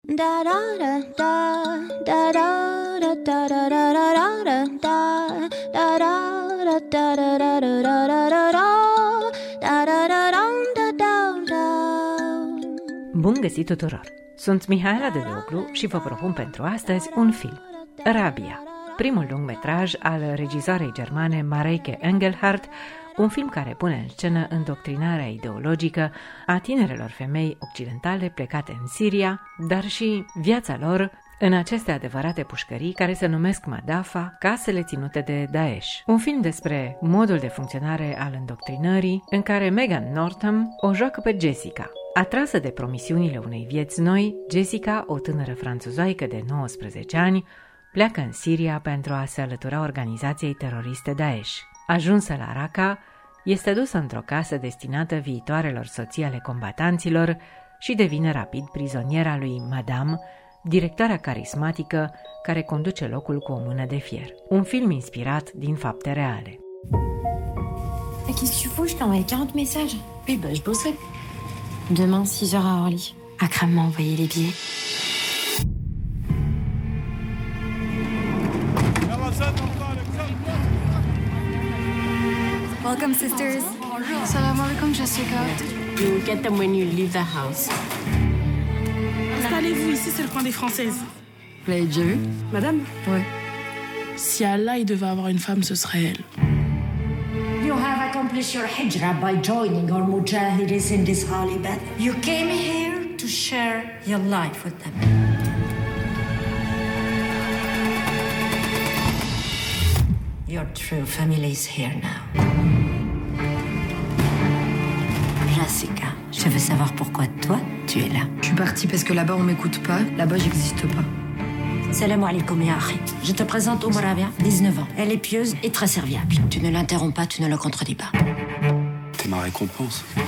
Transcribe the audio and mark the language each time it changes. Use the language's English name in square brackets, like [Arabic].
[Romanian] da da da da da da da da da da da da da da da da da da da da da da da da da da da da da da da da. Bun găsit tuturor! Sunt Mihaela Dedeoglu și vă propun pentru astăzi un film, Rabia, primul lungmetraj al regizoarei germane Mareike Engelhardt, un film care pune în scenă îndoctrinarea ideologică a tinerelor femei occidentale plecate în Siria, dar și viața lor în aceste adevărate pușcării care se numesc Madafa, casele ținute de Daesh. Un film despre modul de funcționare al îndoctrinării, în care Megan Northam o joacă pe Jessica. Atrasă de promisiunile unei vieți noi, Jessica, o tânără franțuzoaică de 19 ani, pleacă în Siria pentru a se alătura organizației teroriste Daesh. Ajunsă la Raqqa, este dusă într-o casă destinată viitoarelor soții ale combatanților și devine rapid prizoniera lui Madame, directoarea carismatică care conduce locul cu o mână de fier. Un film inspirat din fapte reale. [French] Qu'est-ce que tu fous? Je t'ai envoyé 40 messages. Oui, bah je bosserai. Demain, 6 heures à Orly. Akram m'a envoyé les billets. [English] Welcome, sisters. [French] Bonjour. Salam alaikum, Jessica. [English] You will get them when you leave the house. [French] Installez-vous ici, c'est le coin des Françaises. Vous l'avez déjà vu, Madame? Ouais. Si Allah il devait avoir une femme, ce serait elle. [English] You have accomplished your hijra by joining our mujahideen in this holy bath. You came here to share your life with them. Your true family is here now. [French] Jessica, je veux savoir pourquoi toi, tu es là. Je suis partie parce que là-bas, on m'écoute pas. Là-bas, j'existe pas. Salam alaikum, ya akhi. Je te présente Omaravia, 19 ans. Elle est pieuse et très serviable. Tu ne l'interromps pas, tu ne le contredis pas. T'es ma récompense.